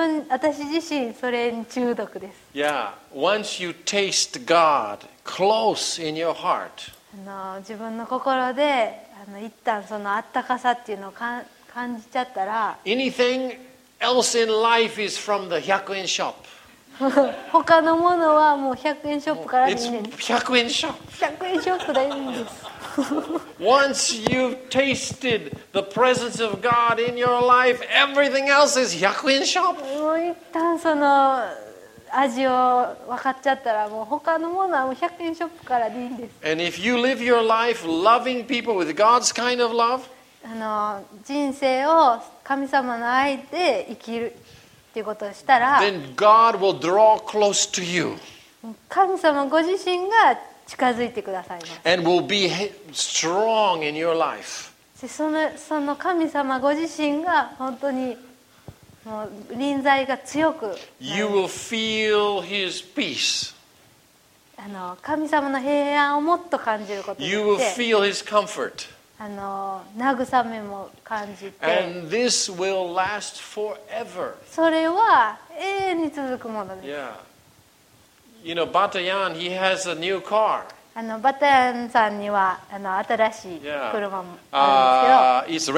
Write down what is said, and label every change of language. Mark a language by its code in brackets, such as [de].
[ja] 私自身それに中毒です。 [en] Yeah, once you taste God close in your heart. [ja] 自分の心で一旦そのあったかさっていうのを感じちゃったら、 [en] Anything else in life is from the 100 円ショップ。 [ja] 他のものはもう100円ショップからでいいんです。 [en] It's [ja] 100円ショップ。 100円ショップでいいんです。 [en] Once you've tasted the presence of God in your life, everything else is 100円ショップ。 [ja] もう一旦その味を分かっちゃったらもう他のものはもう100円ショップからでいいんです。 [en] And if you live your life loving people with God's kind of love, [ja] 人生を神様の愛で生きるっていうことをしたら、 [en] then God will draw close to you. [ja] 神様ご自身が近づいてくださいます。 [en] And will be strong in your life. [ja] その神様ご自身が本当に臨在が強く、 [en] You will feel his peace. [ja] 神様の平安をもっと感じることで、 [en] You will feel his comfort. [ja] 慰めも感じて、 [en] And this will last forever. [ja] それは永遠に続くものです。 Yeah. [en] You know, Batayan, he has a new car. [ja] Batayan さんには新しい車もあるんですけど、